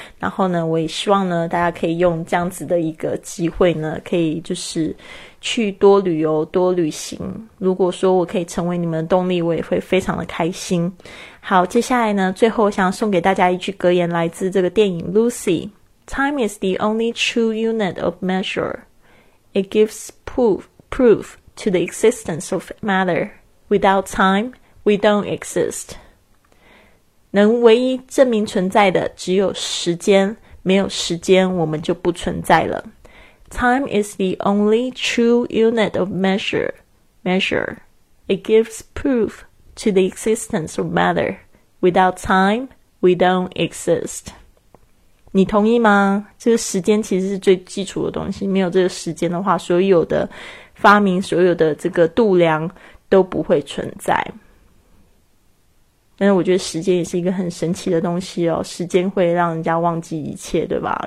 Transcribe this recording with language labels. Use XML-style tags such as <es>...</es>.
<zh>然后呢我也希望呢大家可以用这样子的一个机会呢，可以就是去多旅游多旅行，如果说我可以成为你们的动力，我也会非常的开心。好，接下来呢最后想送给大家一句格言，来自这个电影 Lucy。</zh> <en>Time is the only true unit of measure. It gives proof to the existence of matter. Without time, we don't exist.</en> <zh>能唯一证明存在的只有时间，没有时间我们就不存在了。</zh> <en>Time is the only true unit of measure. It gives proof to the existence of matter. Without time, we don't exist.</en> <zh>你同意吗？这个时间其实是最基础的东西，没有这个时间的话，所有的发明，所有的这个度量都不会存在。但是我觉得时间也是一个很神奇的东西哦，时间会让人家忘记一切，对吧？</zh>